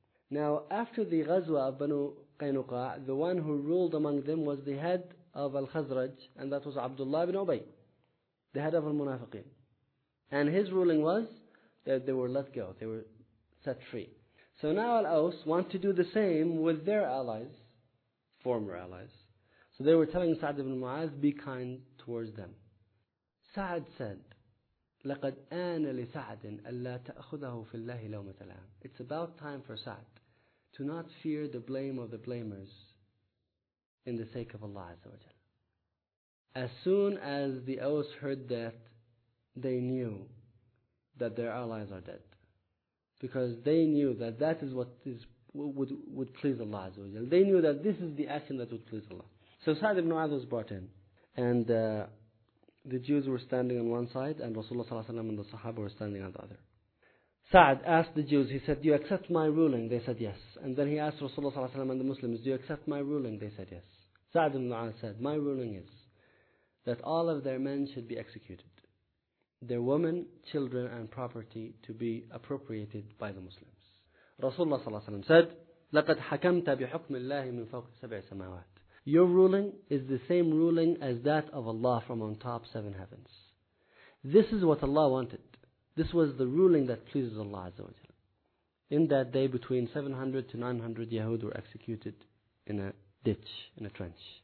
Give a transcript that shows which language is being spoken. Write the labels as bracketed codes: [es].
[en] Now, after the Ghazwa of Banu Qaynuqa, the one who ruled among them was the head of Al-Khazraj, and that was Abdullah ibn Ubay, the head of Al-Munafiqeen. And his ruling was that they were let go, they were set free. So now Al-Aws want to do the same with their allies, former allies. So they were telling Sa'd ibn Mu'adh, be kind towards them. Sa'd said, [ar] لَقَدْ آنَ لِسَعْدٍ أَلَّا تَأْخُذَهُ فِي اللَّهِ لَوْمَةَ الْعَامِ. [en] It's about time for Sa'd to not fear the blame of the blamers in the sake of Allah Azza wa Jal. As soon as the Aus heard that, they knew that their allies are dead. Because they knew that that is what is would please Allah Azza wa Jalla. They knew that this is the action that would please Allah. So Sa'd ibn Mu'adh was brought in. And the Jews were standing on one side, and Rasulullah sallallahu alayhi wa sallam and the Sahaba were standing on the other. Sa'd asked the Jews, he said, "Do you accept my ruling?" They said, "Yes." And then he asked Rasulullah sallallahu alayhi wa sallam and the Muslims, "Do you accept my ruling?" They said, "Yes." Sa'd ibn Mu'adh said, "My ruling is that all of their men should be executed, their women, children, and property to be appropriated by the Muslims." Rasulullah sallallahu alayhi wa sallam said, [ar] "لَقَدْ حَكَمْتَ بِحُكْمِ اللَّهِ مِنْ فَوْقِ سَبْعِ سَمَاوَاتِ." [en] Your ruling is the same ruling as that of Allah from on top seven heavens. This is what Allah wanted. This was the ruling that pleases Allah Azza wa Jalla. In that day, between 700 to 900 Yahud were executed in a ditch, in a trench.